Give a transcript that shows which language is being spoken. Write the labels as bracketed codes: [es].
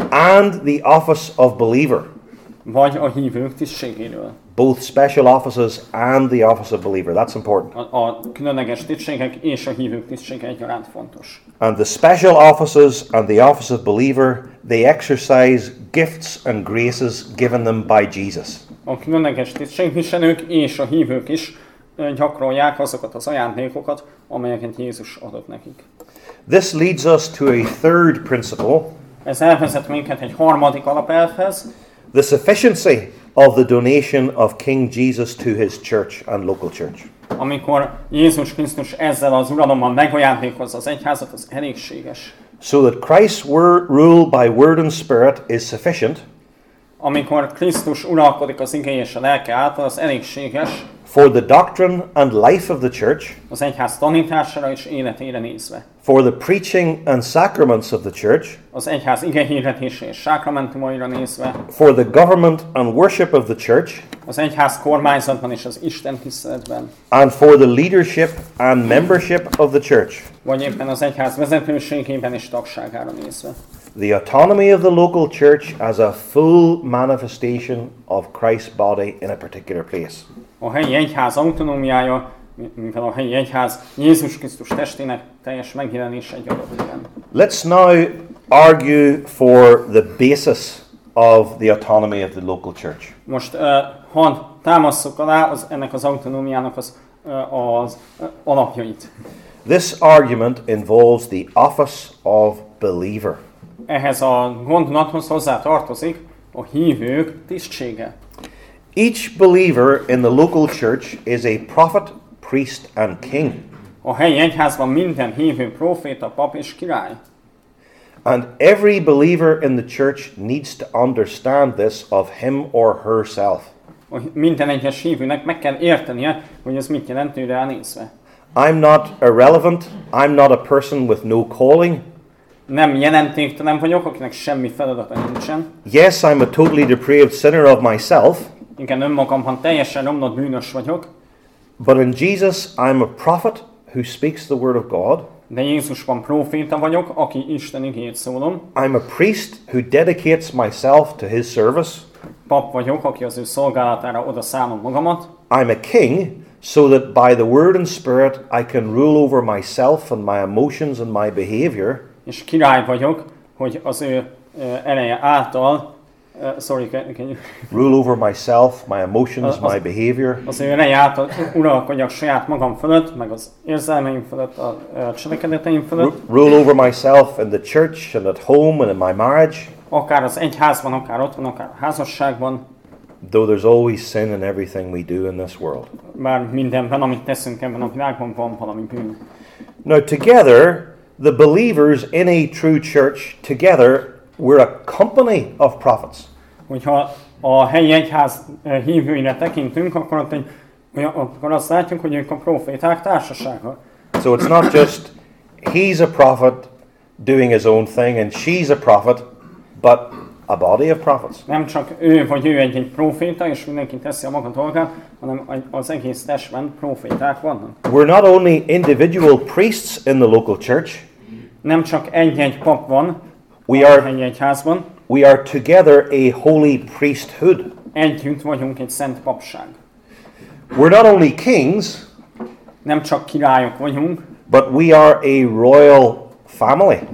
[en] And the office of believer. [hu] Vagy a hívők tisztségéről. [en] Both special offices and the office of believer. That's important. [hu] A különleges tisztségek és a hívők tisztsége egyaránt fontos. [en] And the special offices and the office of believer, they exercise gifts and graces given them by Jesus. [hu] A különleges tisztségviselők és a hívők is gyakorolják azokat az ajándékokat, amelyeket Jézus adott nekik. [en] This leads us to a third principle. [hu] Ez elvezet minket egy harmadik alapelvhez. [en] The sufficiency of the donation of King Jesus to his church and local church. [hu] Amikor Jézus Krisztus ezzel az uralommal megajándékozza az egyházat, az elégséges. [en] So that Christ's rule by word and spirit is sufficient. [hu] Amikor Krisztus uralkodik az igéje és a lelke által, az elégséges. [en] For the doctrine and life of the church. [hu] Az egyház tanítására és életére nézve. [en] For the preaching and sacraments of the church. [hu] Az egyház igehirdetése és sákramentumaira nézve. [en] For the government and worship of the church. [hu] Az egyház kormányzatban és az Isten tiszteletben. [en] And for the leadership and membership of the church. [hu] Vagy éppen az egyház vezetőségében és tagságára nézve. [en] The autonomy of the local church as a full manifestation of Christ's body in a particular place. [hu] A helyi egyház autonómiája, mivel a helyi egyház Jézus Krisztus testének teljes megjelenése egy adott helyen. [en] Let's now argue for the basis of the autonomy of the local church. [hu] Most hadd támasszuk alá ennek az autonómiának az alapjait. [en] This argument involves the office of believer. [hu] Ehhez a gondolathoz hozzá tartozik a hívők tisztsége. [en] Each believer in the local church is a prophet, priest and king. [hu] A helyi egyházban minden hívő proféta, pap és király. [en] And every believer in the church needs to understand this of him or herself. [hu] Minden egyes hívőnek meg kell értenie, hogy ez mit jelent ő ránézve. [en] I'm not irrelevant, I'm not a person with no calling. [hu] Nem jelentéktelen vagyok, akinek semmi feladata nincsen. [en] Yes, I'm a totally depraved sinner of myself. [hu] Igen, önmagamban teljesen romlott bűnös vagyok. [en] But in Jesus, I'm a prophet who speaks the word of God. [hu] De Jézusban proféta vagyok, aki Isten igéjét szólom. [en] I'm a priest who dedicates myself to his service. [hu] Pap vagyok, aki az ő szolgálatára odaszánom magamat. [en] I'm a king, so that by the word and spirit I can rule over myself and my emotions and my behavior. [hu] És király vagyok, hogy az ő ereje által [en] Sorry, can you? Rule over myself, my emotions, my behavior. [hu] Az én saját uralkodjak saját magam fölött, meg az érzelmeim fölött, a cselekedeteim fölött. [en] Rule over myself in the church and at home and in my marriage. [hu] Akár az egyházban, akár otthon, akár házasságban. [en] Though there's always sin in everything we do in this world. [hu] Már mindenben, amit teszünk ebben a világban, van valami bűn. [en] Now together, the believers in a true church, together, we're a company of prophets. [hu] Hogyha a helyi egyház hívőire tekintünk, akkor azt látjuk, hogy ők a proféták társasága. [en] So it's not just he's a prophet doing his own thing and she's a prophet, but a body of prophets. [hu] Nem csak ő vagy ő egy proféta, és mindenki teszi a maga dolgát, hanem az egész testben proféták vannak. [en] We're not only individual priests in the local church. [hu] Nem csak egy-egy pap van. [en] We are together a holy priesthood. [hu] Együtt vagyunk egy szent papság. [en] We're not only kings. [hu] Nem csak királyok vagyunk. [en] But we are a royal family.